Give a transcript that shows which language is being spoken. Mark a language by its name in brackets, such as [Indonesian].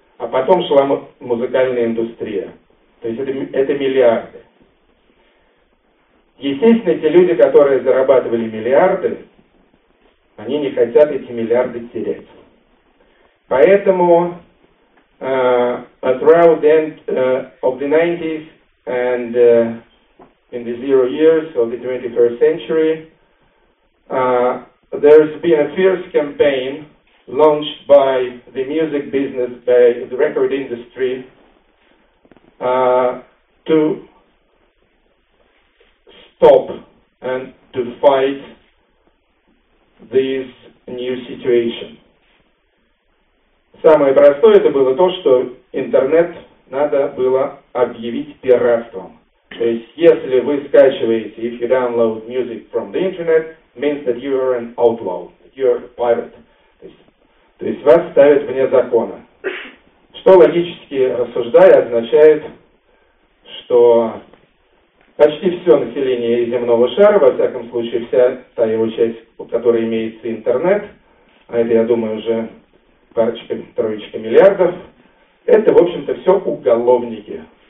[Russian] А потом шла музыкальная индустрия. То есть это миллиарды. Естественно, те люди, которые зарабатывали миллиарды, они не хотят эти миллиарды терять. Поэтому [English] throughout the end of the 90s and in the zero years of the 21st century, there's been a fierce campaign launched by the music business, by the record industry, to stop and to fight this new situation. [Russian] Самое простое это было то, что интернет надо было объявить пиратством. То есть, если вы скачиваете, [English] if you download music from the internet, means that you are an outlaw, that you are a pirate. [Russian] То есть, вас ставят вне закона. Что логически рассуждая означает, что почти все население земного шара, во всяком случае, вся та его часть, у которой имеется интернет, а это, я думаю, уже парочка-троечка миллиардов, это, в общем-то, все уголовники.